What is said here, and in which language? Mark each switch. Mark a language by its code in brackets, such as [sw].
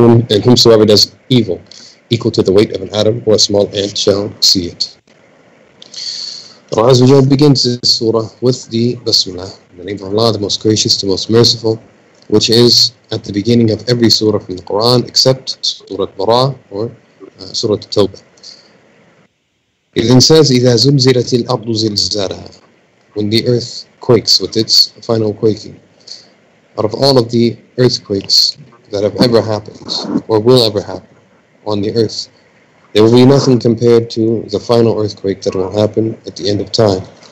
[en] And whosoever does evil equal to the weight of an atom or a small ant shall see it. Allah Azza wa Jalla begins this surah with the Basmalah, in the name of Allah, the Most Gracious, the Most Merciful, which is at the beginning of every surah from the Quran, except Surah Bara or Surah Tawbah. [ar] It then says, إِذَا زُلْزِلَتِ الْأَرْضُ زِلْزَالَهَا. [en] When the earth quakes with its final quaking. Out of all of the earthquakes that have ever happened, or will ever happen on the earth, there will be nothing compared to the final earthquake that will happen at the end of time.